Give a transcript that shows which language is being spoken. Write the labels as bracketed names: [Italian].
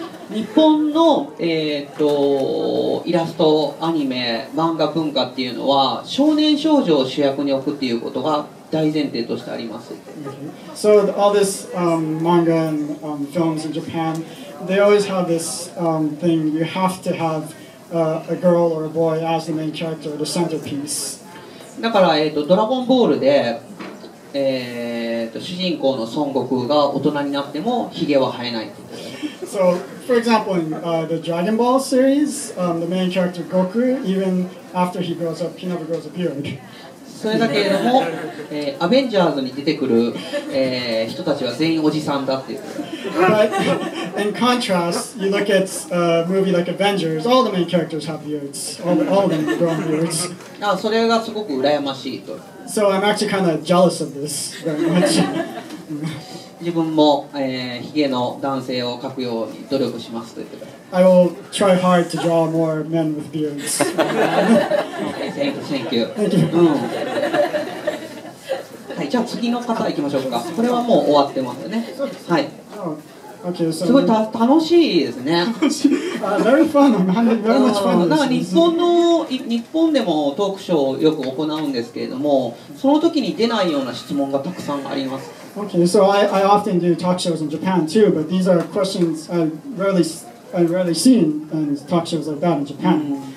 [Japanese] 日本の、イラスト、アニメ、漫画文化っていうのは少年少女を主役に置くっていうことが大前提としてあります。 [English] So all this manga and films in Japan, they always have this thing. You have to have a girl or a boy as the main character, the centerpiece. [Japanese] だから、ドラゴンボールで、主人公の孫悟空が大人になってもヒゲは生えない。 [English] So, for example, in the Dragon Ball series, the main character Goku, even after he grows up, he never grows a beard. [Japanese] それだけれども、アベンジャーズに出てくる、人たちは全員おじさんだっていう。 [English] But in contrast, you look at a movie like Avengers, all the main characters have beards. All of them grown beards. [Japanese] あ、それがすごく羨ましいと。 [English] So I'm actually kind of jealous of this very much. [Japanese] 自分も、ヒゲの男性を描くように努力しますと言ってた。 [English] I will try hard to draw more men with beards. Thank you. [Japanese] はい、じゃあ次の方行きましょうか。これはもう終わってますよね。はい。 [English] Okay, so、 [Japanese] すごい楽しいですね。 [English] very fun. Very much fun. [Japanese] なんか日本でもトークショーをよく行うんですけれども、その時に出ないような質問がたくさんあります。 [English] Okay, so I often do talk shows in Japan too, but these are questions I rarely seen in talk shows like that in Japan.